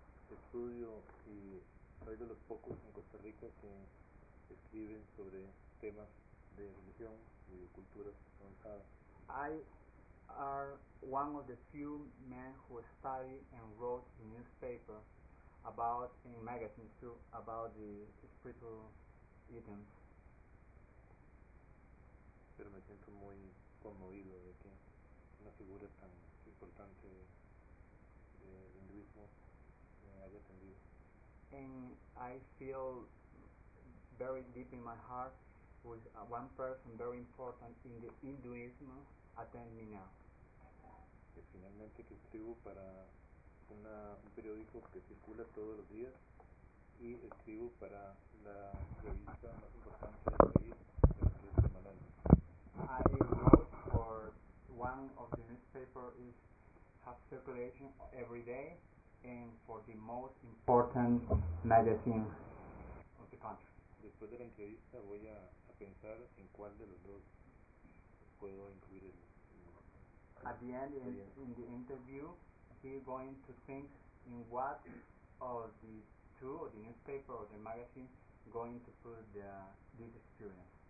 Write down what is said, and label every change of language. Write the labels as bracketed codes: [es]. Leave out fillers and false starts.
[es] estudio y soy de los pocos en Costa Rica que escriben sobre temas de religión y de culturas avanzadas. [en] I are one of the few men who studied and wrote in newspaper about, in magazines too, about the spiritual items. [es] Pero me siento muy conmovido de que una figura tan importante del hinduismo me haya atendido. [en] And I feel very deep in my heart with one person very important in the Hinduism attend me now. [es] Que finalmente que escribo para un periódico que circula todos los días y escribo para la revista más importante del país, que es semanal. [en] I wrote for one of the newspapers is have circulation every day and for the most important magazine of the country. [es] Después de la entrevista voy a pensar en cuál de los dos puedo incluir el. [en] At the end, in the interview, he's going to think in what of the two, or the newspaper or the magazine, going to put this experience.